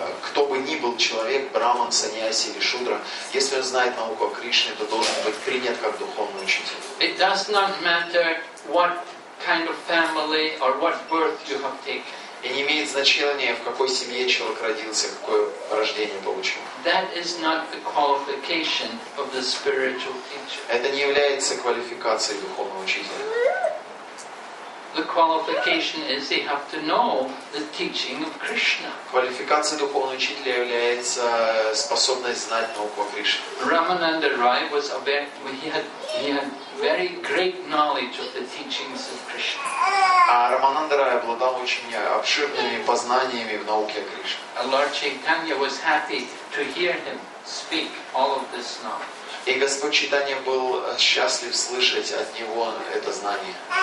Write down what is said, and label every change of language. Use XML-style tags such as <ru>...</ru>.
<ru>Кто бы ни был человек, браман, саньяси или шудра, если он знает науку о Кришне, то должен быть принят как духовный учитель.</ru> <en>It does not matter what kind of family or what birth you have taken.</en> <ru>И не имеет значения, в какой семье человек родился, какое рождение получил.</ru> <en>That is not the qualification of the spiritual teacher.</en> <ru>Это не является квалификацией духовного учителя.</ru> <en>The qualification is they have to know the teaching of Krishna.</en> <ru>Квалификация духовного учителя является способность знать науку о Кришне.</ru> <en>Ramananda Roy was a he had very great knowledge of the teachings of Krishna.</en> <ru>А Рамананда Рай обладал очень обширными познаниями в науке о Кришне.</ru> <en>And Lord Chaitanya was happy to hear him speak all of this knowledge.</en> <ru>И Господь Читания был счастлив слышать от него это знание.</ru>